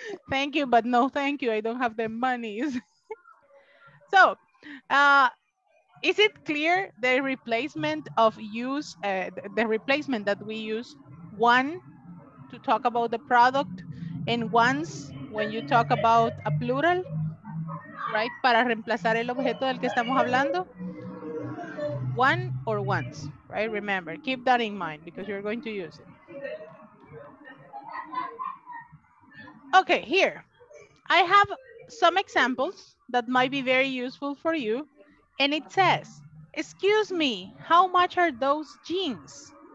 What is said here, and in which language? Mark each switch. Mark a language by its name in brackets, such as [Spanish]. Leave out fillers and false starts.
[English] Thank you, but no, thank you. I don't have the monies. So, is it clear the replacement of use, the replacement that we use one to talk about the product and once when you talk about a plural, right? [Spanish] Para reemplazar el objeto del que estamos hablando. [English] One or once, right? Remember, keep that in mind because you're going to use it. Okay, here. I have some examples that might be very useful for you. And it says, excuse me, how much are those jeans?